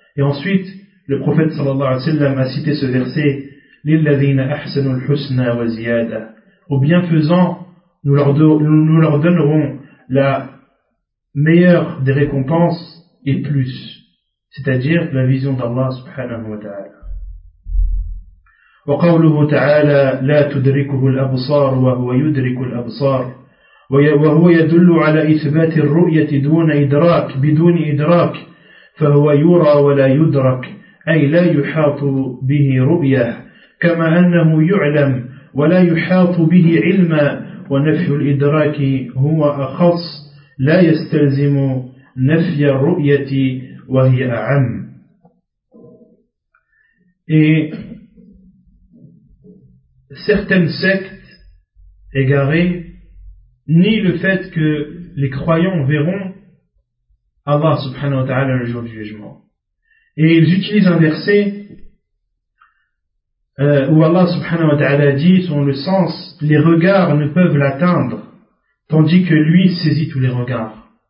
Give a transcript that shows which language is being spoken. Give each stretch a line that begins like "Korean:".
French: Et ensuite, le prophète sallallahu alayhi wa sallam a cité ce verset:
Arabic: للذين أحسنوا الحسنى وزيادة.
French: Aux bienfaisants, nous leur donnerons la meilleure des récompenses et plus. C'est-à-dire la vision d'Allah subhanahu wa ta'ala.
Arabic: وقوله تعالى: لا تدركه الأبصار وهو يدرك الأبصار. وهو يدل على إثبات الرؤية دون إدراك بدون إدراك. فهو يرى ولا يدرك، أي لا يحاط به رؤية. كما أنه يعلم ولا يحاط به علما، ونفي الإدراك هو أخص لا يستلزم نفي الرؤية وهي أعم.
French: Et certaines sectes égarées nient le fait que les croyants verront Allah subhanahu wa ta'ala le jour du jugement. Et ils utilisent un verset où Allah subhanahu wa ta'ala dit, selon le sens, les regards ne peuvent l'atteindre, tandis que lui saisit tous les regards.